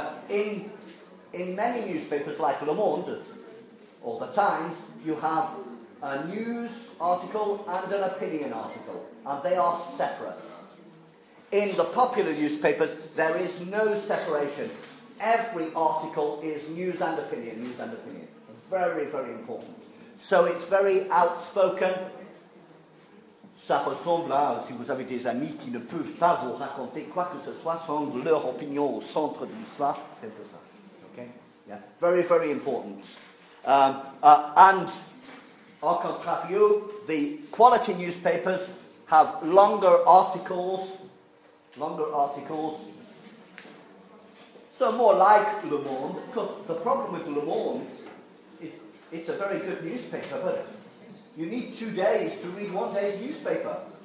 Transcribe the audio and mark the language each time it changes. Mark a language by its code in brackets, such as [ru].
[en] In many newspapers like Le Monde or The Times, you have a news article and an opinion article, and they are separate. In the popular newspapers, there is no separation. Every article is news and opinion, news and opinion. Very, very important. So it's very outspoken. [fr] Ça ressemble à, si vous avez des amis qui ne peuvent pas vous raconter quoi que ce soit sans leur opinion au centre de l'histoire. C'est pour ça. [en] Okay? Yeah. Very, very important. And, au contrario, the quality newspapers have longer articles. Longer articles. So more like Le Monde. Because the problem with Le Monde is it's a very good newspaper, but you need 2 days to read one day's newspaper.